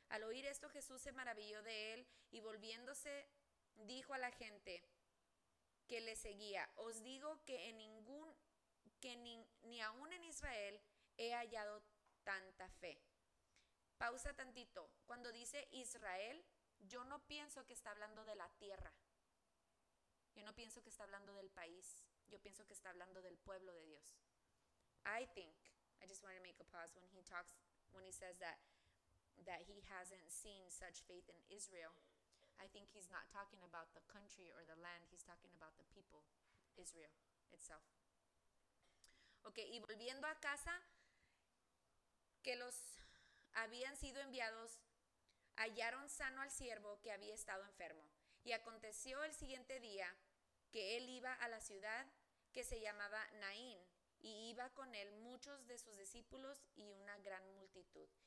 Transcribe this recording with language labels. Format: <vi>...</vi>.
<es>Al oír esto Jesús se maravilló de él y volviéndose dijo a la gente que le seguía, os digo que en ningún, que ni aún en Israel he hallado tanta fe. Pausa tantito, cuando dice Israel, yo no pienso que está hablando de la tierra, yo no pienso que está hablando del país, yo pienso que está hablando del pueblo de Dios.</es> <en>I just wanted to make a pause when he says that he hasn't seen such faith in Israel. I think he's not talking about the country or the land, he's talking about the people, Israel itself.</en> <es>Okay, y volviendo a casa, que los habían sido enviados, hallaron sano al siervo que había estado enfermo. Y aconteció el siguiente día que él iba a la ciudad que se llamaba Naín, y iba con él muchos de sus discípulos y una gran multitud.</es>